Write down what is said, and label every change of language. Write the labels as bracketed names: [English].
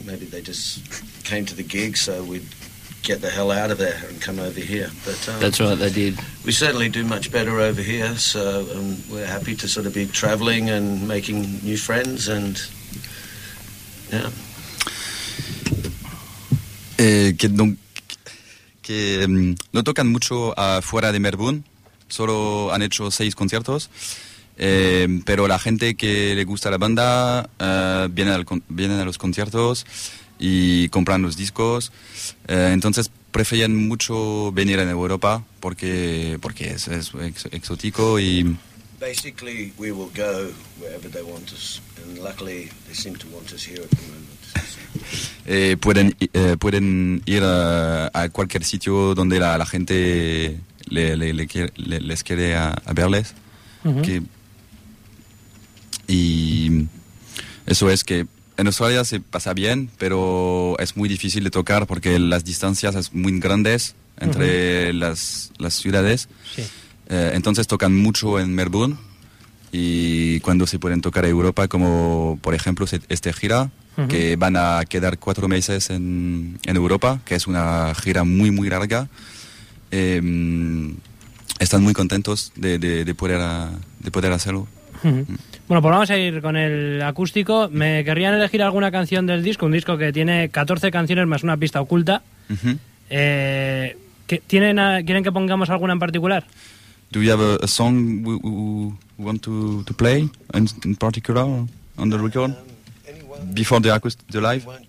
[English] Maybe they just came to the gig, so we'd get the hell out of there and come over here. But that's right, they did. We certainly do much better over here, so we're happy to sort of be traveling and making new friends, and yeah. [Spanish] Que no tocan mucho fuera de Melbourne, solo han hecho 6 conciertos. Pero la gente que le gusta la banda vienen a los conciertos y compran los discos, entonces prefieren mucho venir en Europa porque es exótico y... [English] Basically, we will go wherever they want us, and luckily they seem to want us here at the moment. [Spanish] pueden ir a cualquier sitio donde la gente les quiere a verles. Que, y eso es que en Australia se pasa bien, pero es muy difícil de tocar porque las distancias son muy grandes entre las ciudades. Sí. Entonces tocan mucho en Melbourne. Y cuando se pueden tocar a Europa, como por ejemplo este gira, que van a quedar 4 meses en Europa, que es una gira muy, muy larga, están muy contentos de poder hacerlo. Bueno, pues vamos a ir con el acústico. Me querrían elegir alguna canción del disco, un disco que tiene 14 canciones más una pista oculta. ¿Quieren que pongamos alguna en particular? Do you have a song we want to play in particular on the record before the acoustic, the live?